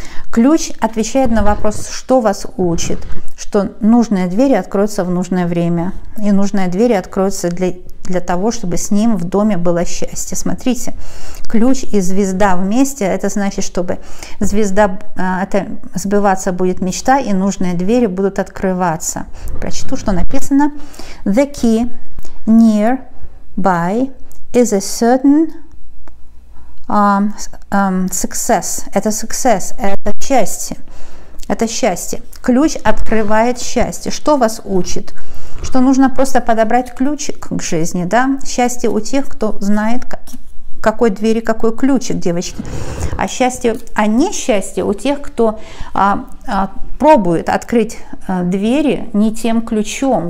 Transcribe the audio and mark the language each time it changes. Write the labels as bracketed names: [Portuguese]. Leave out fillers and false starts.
[Russian] Ключ отвечает на вопрос, что вас учит, что нужные двери откроются в нужное время. И нужные двери откроются для того, чтобы с ним в доме было счастье. Смотрите, ключ и звезда вместе, это значит, чтобы звезда, это сбываться будет мечта, и нужные двери будут открываться. Прочту, что написано. [English] The key nearby is a certain success. [Russian] Это success, это счастье. Это счастье. Ключ открывает счастье. Что вас учит? Что нужно просто подобрать ключик к жизни, да? Счастье у тех, кто знает, какой двери, какой ключик, девочки. А счастье, а не счастье у тех, кто пробует открыть двери не тем ключом.